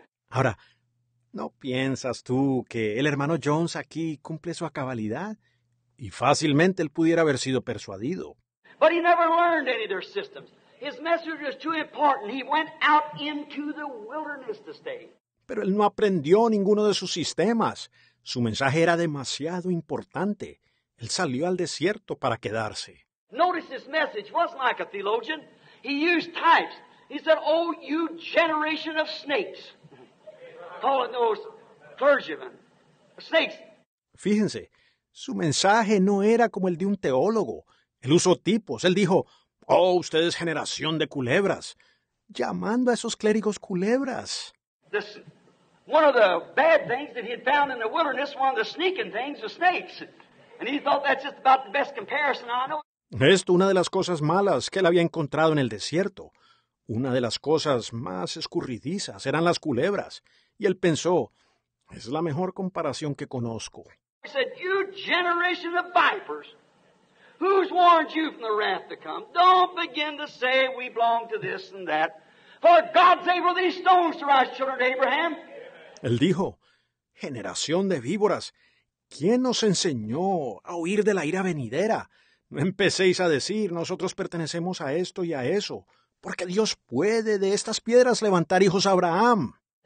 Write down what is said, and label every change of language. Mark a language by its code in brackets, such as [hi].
[es] Ahora, ¿no piensas tú que el hermano Jones aquí cumple su cabalidad? Y fácilmente él pudiera haber sido persuadido. [en] But he never learned any of their systems. His message was too important. He went out into the wilderness to stay. [es] Pero él no aprendió ninguno de sus sistemas. Su mensaje era demasiado importante. Él salió al desierto para quedarse. [en] Notice his message wasn't like a theologian. He used types. He said, oh, you generation of snakes. Calling those clergymen snakes. [es] Fíjense, su mensaje no era como el de un teólogo. Él usó tipos. Él dijo, oh, ustedes generación de culebras. Llamando a esos clérigos culebras. [en] One of the bad things that he had found in the wilderness, one of the sneaking things, was snakes. And he thought that's just about the best comparison I know. [es] Esto, una de las cosas malas que él había encontrado en el desierto. Una de las cosas más escurridizas eran las culebras. Y él pensó, es la mejor comparación que conozco. [en] He said, you generation of vipers, who's warned you from the wrath to come? Don't begin to say we belong to this and that. For God's able these stones to rise, children of Abraham. [es] Él dijo, generación de víboras, ¿quién nos enseñó a huir de la ira venidera? No empecéis a decir, nosotros pertenecemos a esto y a eso, porque Dios puede de estas piedras levantar hijos a Abraham.